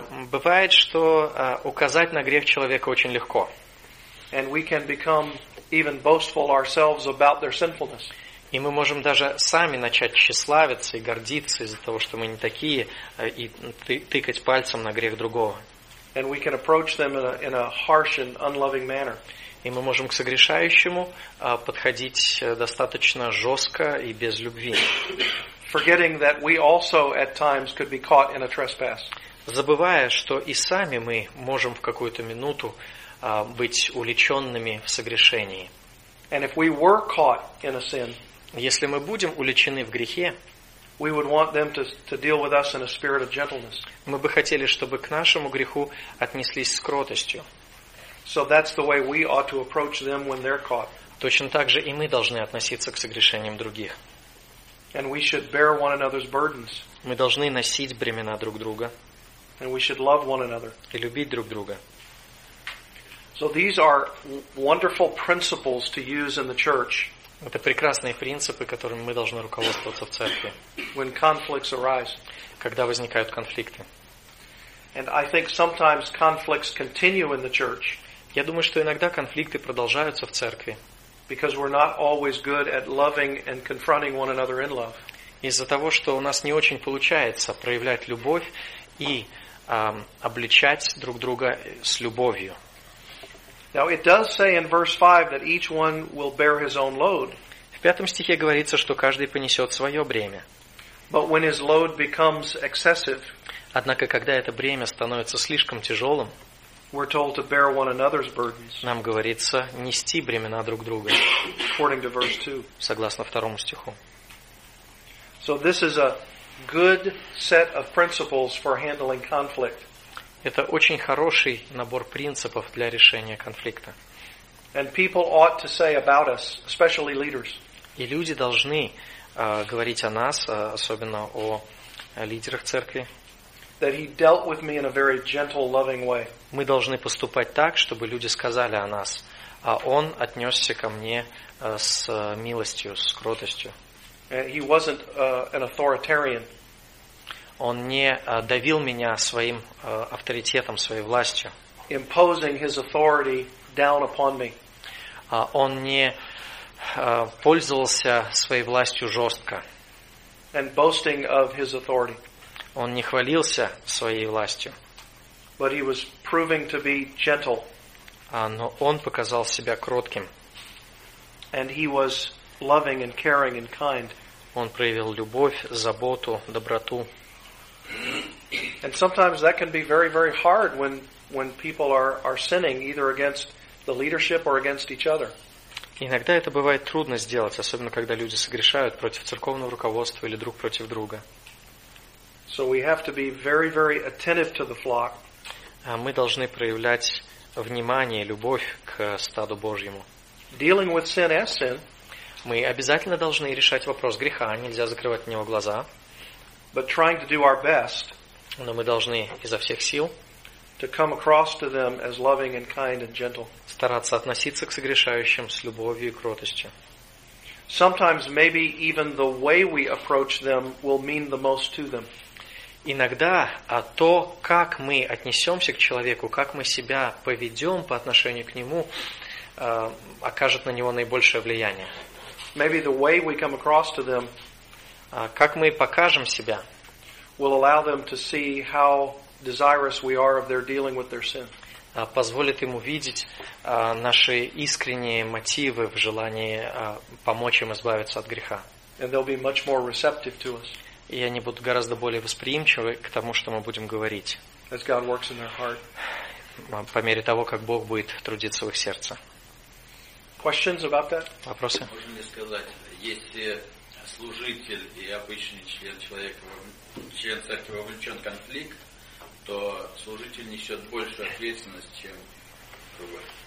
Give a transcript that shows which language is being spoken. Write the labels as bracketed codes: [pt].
[ru] Бывает, что указать на грех человека очень легко. [en] And we can become even boastful ourselves about their sinfulness. [ru] И мы можем даже сами начать тщеславиться и гордиться из-за того, что мы не такие, и тыкать пальцем на грех другого. [en] And we can approach them in a harsh and unloving manner. [ru] И мы можем к согрешающему подходить достаточно жестко и без любви. [en] Forgetting that we also at times could be caught in a trespass. [ru] Забывая, что и сами мы можем в какую-то минуту быть увлеченными в согрешении. [en] And if we were caught in a sin, [ru] если мы будем уличены в грехе, мы бы хотели, чтобы к нашему греху отнеслись с кротостью. Точно так же и мы должны относиться к согрешениям других. [en] And we should bear one another's burdens. [ru] Мы должны носить бремена друг друга. [en] And we should love one another. [ru] И любить друг друга. [en] So these are wonderful principles to use in the church. [ru] Это прекрасные принципы, которыми мы должны руководствоваться в церкви. [en] When conflicts arise. [ru] Когда возникают конфликты. [en] And I think sometimes conflicts continue in the church. [ru] Я думаю, что иногда конфликты продолжаются в церкви. [en] Because we're not always good at loving and confronting one another in love. [ru] Из-за того, что у нас не очень получается проявлять любовь и обличать друг друга с любовью. [en] Now it does say in verse 5 that each one will bear his own load. [ru] В пятом стихе говорится, что каждый понесет свое бремя. [en] But when his load becomes excessive, [ru] однако когда это бремя становится слишком тяжелым, [en] We're told to bear one another's burdens. [ru] Нам говорится нести бремена друг друга. [en] According to verse 2. [ru] Согласно второму стиху. [en] So this is a good set of principles for handling conflict. [ru] Это очень хороший набор принципов для решения конфликта. [en] And people ought to say about us, especially leaders. [ru] И люди должны говорить о нас, особенно о лидерах церкви. [en] That he dealt with me in a very gentle, loving way. [ru] Мы должны поступать так, чтобы люди сказали о нас, а он отнесся ко мне с милостью, с кротостью. [en] He wasn't an authoritarian. [ru] Он не давил меня своим авторитетом, своей властью. [en] Imposing his authority down upon me. [ru] Он не пользовался своей властью жестко. [en] And boasting of his authority. [ru] Он не хвалился своей властью. [en] But he was proving to be gentle. [ru] Но он показал себя кротким. [en] And he was loving and caring and kind. [ru] Он проявил любовь, заботу, доброту. [en] And sometimes that can be very, very hard when people are sinning either against the leadership or against each other. [ru] Иногда это бывает трудно сделать, особенно когда люди согрешают против церковного руководства или друг против друга. [en] So we have to be very, very attentive to the flock. [ru] Мы должны проявлять внимание, любовь к стаду Божьему. [en] Dealing with sin as sin. [ru] Мы обязательно должны решать вопрос греха, нельзя закрывать на него глаза. [en] But trying to do our best. [ru] Но мы должны изо всех сил. [en] To come across to them as loving and kind and gentle. [ru] Стараться относиться к согрешающим с любовью и кротостью. [en] Sometimes maybe even the way we approach them will mean the most to them. [ru] Иногда то, как мы отнесемся к человеку, как мы себя поведем по отношению к нему, окажет на него наибольшее влияние. [en] Maybe the way we come across to them, [ru] как мы покажем себя, [en] will allow them to see how desirous we are of their dealing with their sin. [ru] Позволит им увидеть наши искренние мотивы в желании помочь им избавиться от греха. [en] And they'll be much more receptive to us. [ru] И они будут гораздо более восприимчивы к тому, что мы будем говорить. [en] As God works in their heart. [ru] По мере того, как Бог будет трудиться в их сердце. [en] Questions about that? [ru] Вопросы? Можно мне сказать, если служитель и обычный член церкви вовлечен в конфликт, то служитель несет большую ответственность, чем другой?